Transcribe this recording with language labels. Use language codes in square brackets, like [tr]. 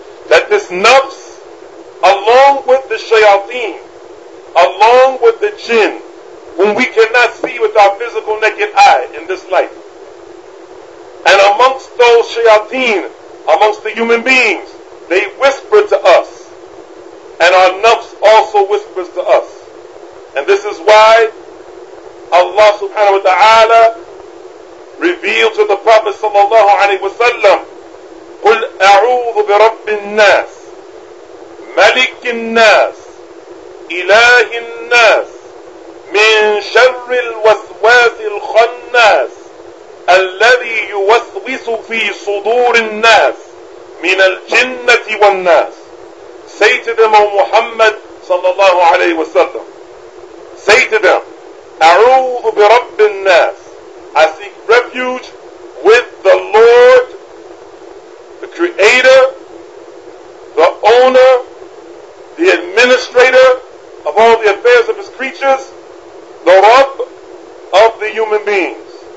[en] That this nafs, along with the shayateen, along with the jinn, whom we cannot see with our physical naked eye in this life, and amongst those shayateen, amongst the human beings, they whisper to us, and our nafs also whispers to us. And this is why Allah subhanahu wa ta'ala revealed to the Prophet sallallahu alaihi wasallam, [ar] قُلْ أَعُوذُ بِرَبِّ النَّاسِ ملك الناس إله الناس من شر الوسواس الخناس الذي يوسوس في صدور الناس من الجنة والناس. [en] Say to them, O Muhammad sallallahu alayhi wa sallam, say to them, [ar] أعوذ برب الناس, [en] I seek refuge with the Lord, the Creator, the Owner, the administrator of all the affairs of his creatures, the Rabb of the human beings,